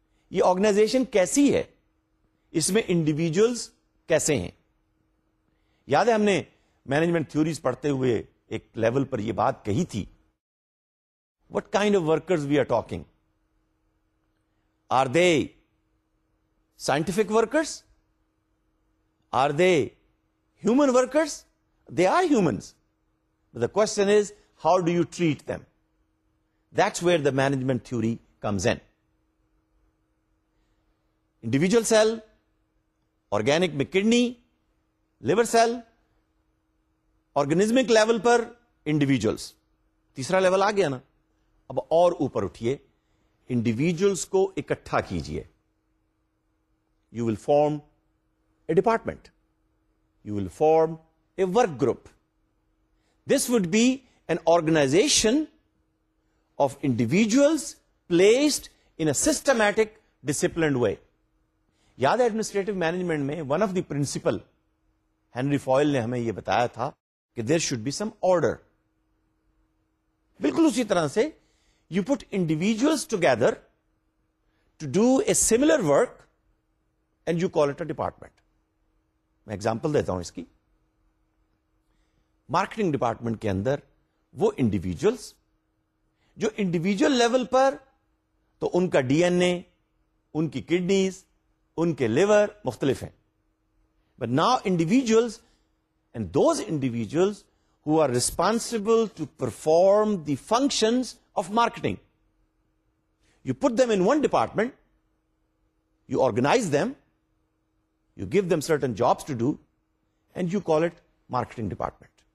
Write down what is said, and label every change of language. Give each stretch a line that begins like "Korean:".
Urdu: یہ آرگنائزیشن کیسی ہے، اس میں انڈیویجولز کیسے ہیں؟ یاد ہے ہم نے مینجمنٹ تھیوریز پڑھتے ہوئے ایک لیول پر یہ بات کہی تھی،
English: What kind of workers we are talking, are they scientific workers, are they human workers, they are humans, the question is how do you treat them. That's where the management theory comes in.
Urdu: Individual cell, organic میں kidney, liver cell, آرگنزمک level پر individuals. تیسرا level آ گیا نا، اب اور اوپر اٹھیے، individuals کو اکٹھا کیجئے،
English: You will form a department, you will form a work group. This would be an organization of individuals placed in a systematic disciplined way.
Urdu: یاد ہے ایڈمنسٹریٹو مینجمنٹ میں one of the principal Henry foil نے ہمیں یہ بتایا تھا کہ
English: There should be some order. بالکل اسی طرح سے you put individuals together to do a similar work and you call it a department.
Urdu: میں ایگزامپل دیتا ہوں اس کی. مارکیٹنگ ڈپارٹمنٹ کے اندر وہ انڈیویجلس جو انڈیویجل لیول پر، تو ان کا ڈی این اے، ان کی کڈنیز، ان کے لیور مختلف ہیں.
English: But now individuals and those individuals who are responsible to perform the functions of marketing, you put them in one department, you organize them, you give them certain jobs to do, and you call it marketing department.